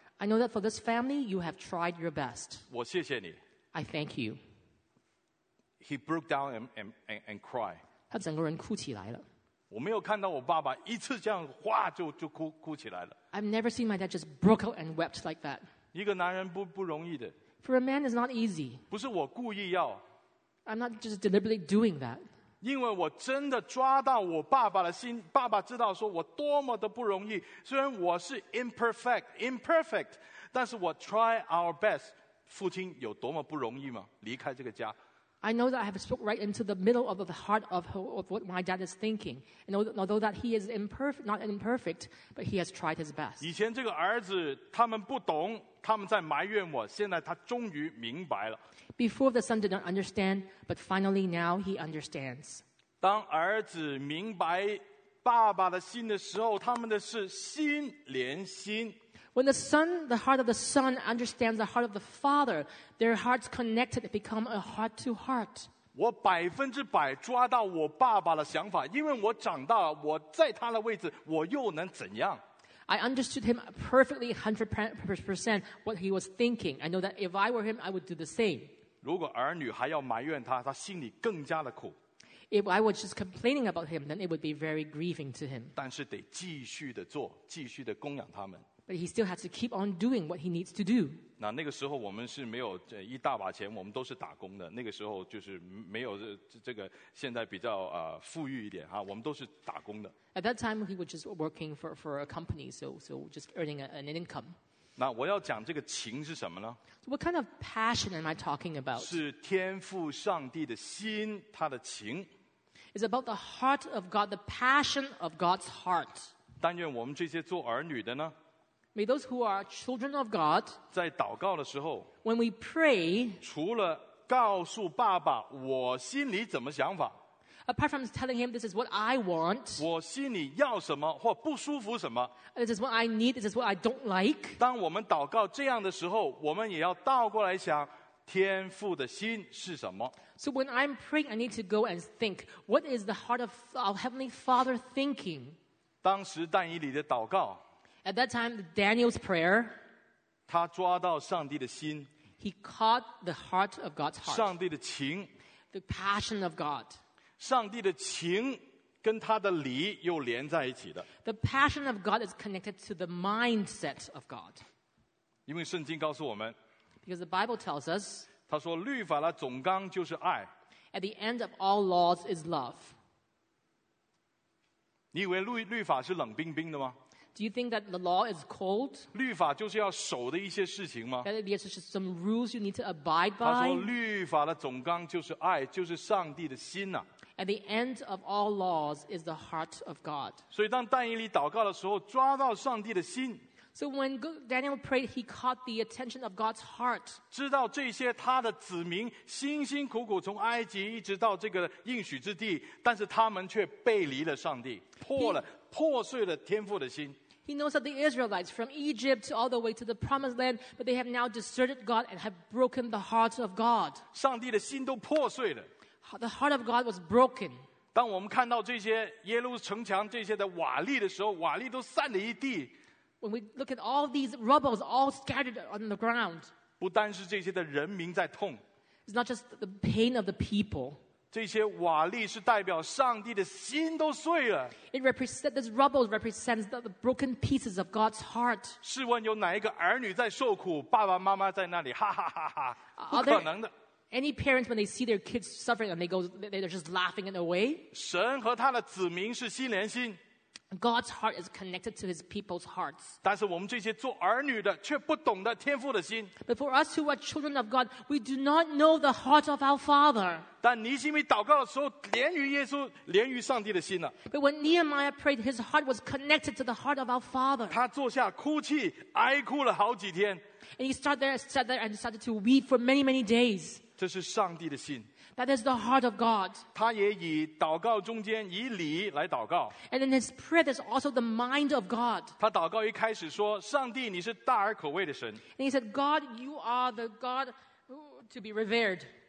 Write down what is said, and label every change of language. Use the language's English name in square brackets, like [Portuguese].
[English] I know that for this family, you have tried your best. [Chinese] 我谢谢你。 [English] I thank you. He broke down and cried. [Chinese] 他整个人哭起来了。我没有看到我爸爸一次这样哗就哭起来了。 [English] I've never seen my dad just broke out and wept like that. [Chinese] 一个男人不容易的。 [English] For a man, it's not easy. [Chinese] 不是我故意要。 [English] I'm not just deliberately doing that. [Chinese] 因为我真的抓到我爸爸的心，爸爸知道说我多么的不容易，虽然我是 imperfect， 但是我 [English] try our best， [Chinese] 父亲有多么不容易吗？离开这个家。 [English] I know that I have spoke right into the middle of the heart of what my dad is thinking. And although that he is imperfect, not imperfect, but he has tried his best. [Chinese] 以前这个儿子他们不懂，他们在埋怨我，现在他终于明白了。 [English] Before the son did not understand, but finally now he understands. [Chinese] 当儿子明白爸爸的心的时候，他们的是心连心。 [English] When the son, the heart of the son understands the heart of the father, their hearts connected become a heart to heart. [Chinese] 我百分之百抓到我爸爸的想法，因为我长大，我在他的位置，我又能怎样？ [English] I understood him perfectly 100% what he was thinking. I know that if I were him, I would do the same. [Chinese] 如果儿女还要埋怨他，他心里更加的苦。 [English] If I was just complaining about him, then it would be very grieving to him. [Chinese] 但是得继续的做，继续的供养他们。 [English] But he still has to keep on doing what he needs to do. [Chinese] 那个时候我们是没有一大把钱，我们都是打工的。那个时候就是没有这个现在比较富裕一点哈，我们都是打工的。 [English] At that time, he was just working for a company, so just earning an income. [Chinese] 那我要讲这个情是什么呢？ [English] So what kind of passion am I talking about? [Chinese] 是天父上帝的心，他的情。 [English] It's about the heart of God, the passion of God's heart. [Chinese] 但愿我们这些做儿女的呢？ [English] May those who are children of God, [Chinese] 在祷告的时候 [English] when we pray, [Chinese] 除了告诉爸爸我心里怎么想法 [English] apart from telling him this is what I want, [Chinese] 我心里要什么或不舒服什么 [English] this is what I need, this is what I don't like, [Chinese] 当我们祷告这样的时候，我们也要倒过来想天父的心是什么。 [English] So when I'm praying, I need to go and think, what is the heart of our Heavenly Father thinking? [Chinese] 当时但以理的祷告 [English] At that time, Daniel's prayer, [Chinese] 他抓到上帝的心, [English] he caught the heart of God's heart, [Chinese] 上帝的情, [English] the passion of God. [Chinese] 上帝的情跟他的理又连在一起的。 [English] The passion of God is connected to the mindset of God. [Chinese] 因为圣经告诉我们, [English] because the Bible tells us, [Chinese] 他说律法的总纲就是爱, [English] at the end of all laws is love. [Chinese] 你以为律法是冷冰冰的吗？ [English] Do you think that the law is cold? [Chinese] 律法就是要守的一些事情吗？ [English] That it is just some rules you need to abide by? [Chinese] 他说律法的总纲就是爱，就是上帝的心啊。 [English] At the end of all laws is the heart of God. [Chinese] 所以当但以理祷告的时候，抓到上帝的心。 [English] So when Daniel prayed, he caught the attention of God's heart. [Chinese] 知道这些他的子民辛辛苦苦从埃及一直到这个应许之地，但是他们却背离了上帝，破碎了天父的心。 [English] He knows that the Israelites from Egypt all the way to the promised land, but they have now deserted God and have broken the heart of God. [Chinese] 上帝的心都破碎了。 [English] The heart of God was broken. [Chinese] 当我们看到这些耶路城墙这些的瓦砾的时候，瓦砾都散了一地。 [English] When we look at all these rubbles all scattered on the ground, [Chinese] 不单是这些的人民在痛。 [English] It's not just the pain of the people. [Chinese] 这些瓦砾是代表上帝的心都碎了。 [English] It represents this rubble represents the broken pieces of God's heart. [Chinese] 试问有哪一个儿女在受苦，爸爸妈妈在那里哈哈哈哈？不可能的。 [English] Any parents when they see their kids suffering and they go, they're just laughing it away. [Chinese] 神和他的子民是心连心。 [English] God's heart is connected to His people's hearts. [Chinese] 但是我们这些做儿女的却不懂得天父的心。 [English] But for us who are children of God, we do not know the heart of our Father. [Chinese] 但尼西米祷告的时候，连于耶稣，连于上帝的心了。 [English] But when Nehemiah prayed, his heart was connected to the heart of our Father. [Chinese] 他坐下哭泣，哀哭了好几天。 [English] And he sat there and started to weep for many, many days. [Chinese] 这是上帝的心。 [English] That is the heart of God. [Chinese] 他也以祷告中间以理来祷告。 [English] And in his prayer, there's also the mind of God. [Chinese] 他祷告一开始说：“上帝，你是大而可畏的神。” [English] And he said, "God, you are the God to be revered."